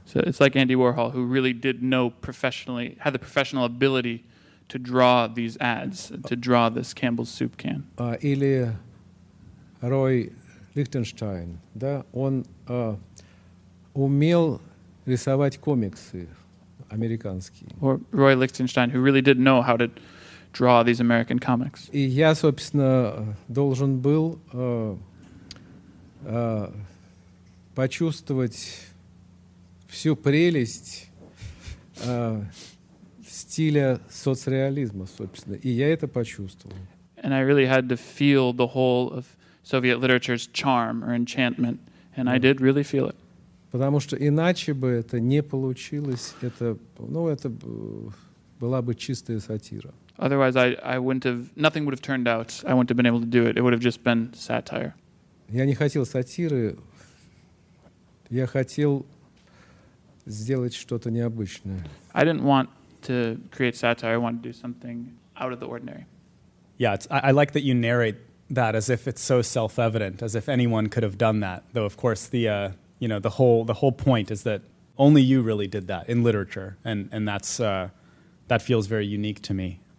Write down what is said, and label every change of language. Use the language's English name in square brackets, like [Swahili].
[English] So it's like Andy Warhol, who really did know professionally, had the professional ability to draw these ads, to draw this Campbell's soup can. [Russian] Или Рой Лихтенштейн, да, он умел рисовать комиксы американские. [English] Or Рой Лихтенштейн, who really didn't know how to draw these American comics. [Russian] И я, собственно, должен был почувствовать всю прелесть стиля соцреализма, собственно. И я это почувствовал. [English] And I really had to feel the whole of Soviet literature's charm or enchantment, and I did really feel it. [Russian] Потому что иначе бы это не получилось. Это, ну, это была бы чистая сатира. [English] Otherwise, I wouldn't have... Nothing would have turned out. I wouldn't have been able to do it. It would have just been satire. [Russian] Я не хотел сатиры. Я хотел сделать что-то необычное. [English] I didn't want to create satire, I want to do something out of the ordinary. Yeah, I like that you narrate that as if it's so self-evident, as if anyone could have done that. Though, of course, the whole point is that only you really did that in literature, and that's that feels very unique to me.